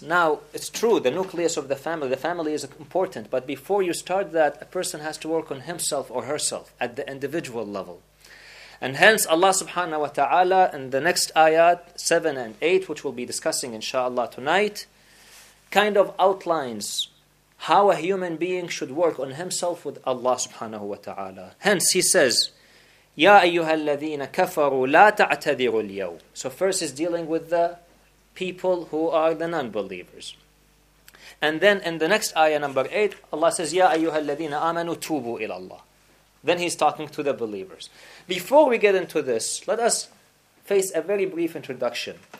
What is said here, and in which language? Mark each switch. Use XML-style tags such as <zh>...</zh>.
<en>Now, it's true, the nucleus of the family is important, but before you start that, a person has to work on himself or herself at the individual level. And hence, Allah subhanahu wa ta'ala, in the next ayat, 7 and 8, which we'll be discussing inshallah tonight, kind of outlines how a human being should work on himself with Allah subhanahu wa ta'ala. Hence, he says,</en> <ar>يَا أَيُّهَا الَّذِينَ كَفَرُوا لَا تَعْتَذِرُوا الْيَوْمِ.</ar> <en>So first is dealing with the people who are the non-believers. And then in the next ayah, number 8, Allah says,</en> <ar>يَا أَيُّهَا الَّذِينَ آمَنُوا تُوبُوا إِلَى اللَّهِ.</ar> <en>Then he's talking to the believers. Before we get into this, let us face a very brief introduction.</en>